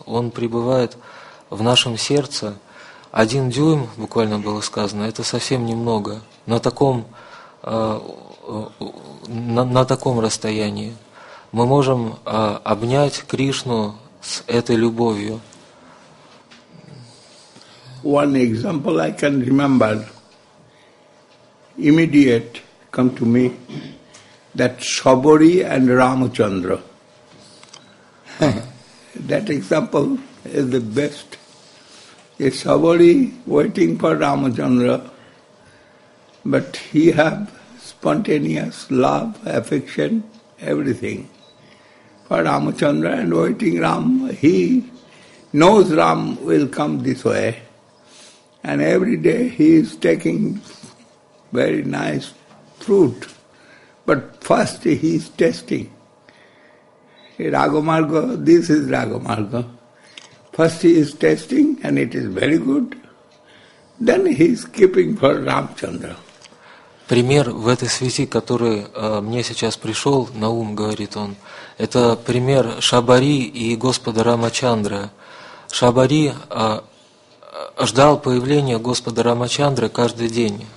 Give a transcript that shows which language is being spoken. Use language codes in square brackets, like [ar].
[ru] Он пребывает в нашем сердце. 1 дюйм, буквально было сказано, это совсем немного. На таком расстоянии мы можем обнять Кришну с этой любовью. [en] One example I can remember, immediate come to me, that Sabari and Ramachandra. That example is the best. A Sabari waiting for Ramachandra, but he have spontaneous love, affection, everything for Ramachandra and waiting Ram. He knows Ram will come this way. And every day he is taking very nice fruit. But first he is testing. Ragamarga, this is Ragamarga. First he is testing and it is very good. Then he is keeping for Ramchandra. [ru] Пример в этой связи, который мне сейчас пришел на ум, говорит он, это пример Шабари и Господа Рамачандры. Шабари ждал появления Господа Рамачандры каждый день.